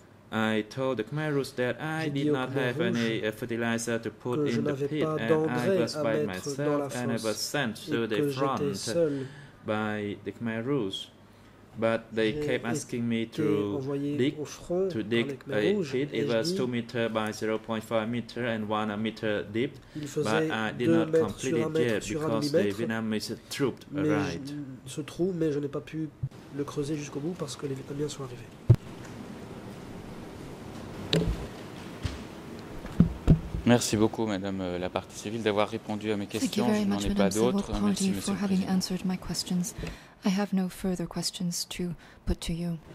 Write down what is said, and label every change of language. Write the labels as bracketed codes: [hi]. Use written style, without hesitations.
[en] I told the Khmer Rouge that I did not have any fertilizer to put in the pit, and I was by myself, and I was sent to the front by the Khmer Rouge. But they kept asking me to dig, a pit. It was 2 meters by 0.5 meter and 1 meter deep, but I did not complete it yet because the Vietnamese troops arrived. [fr] Ce trou, mais je n'ai pas pu le creuser jusqu'au bout parce que les Vietnamiens sont arrivés. Merci beaucoup, Madame la Partie civile, d'avoir répondu à mes questions. Je n'en ai pas d'autres. Merci, Monsieur le Président. [en] I have no further questions to put to you.